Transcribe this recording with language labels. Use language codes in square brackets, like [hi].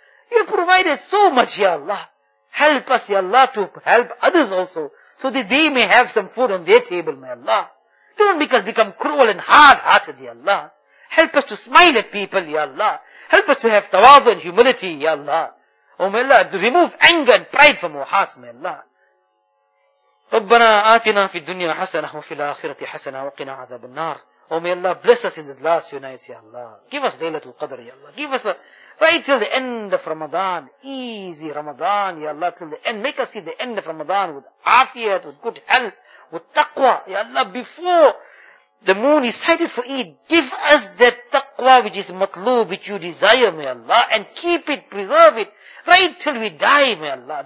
[en] You have provided so much, Ya Allah. Help us, Ya Allah, to help others also. So that they may have some food on their table, my Allah. Don't make us become cruel and hard-hearted, Ya Allah. Help us to smile at people, Ya Allah. Help us to have tawadu and humility, Ya Allah. Oh, my Allah, to remove anger and pride from our hearts, my Allah. [ar] ربنا آتنا في الدنيا حسنة وفي الآخرة حسنة وقنا عذاب النار. [en] Oh, may Allah bless us in the last few nights, Ya Allah. Give us Laylatul Qadr, Ya Allah. Give us a, right till the end of Ramadan. Easy Ramadan, Ya Allah, till the end. Make us see the end of Ramadan with afiyat, with good health, with taqwa. Ya Allah, before the moon is sighted for Eid, give us that taqwa which is matloob, which you desire, may Allah, and keep it, preserve it, right till we die, may Allah.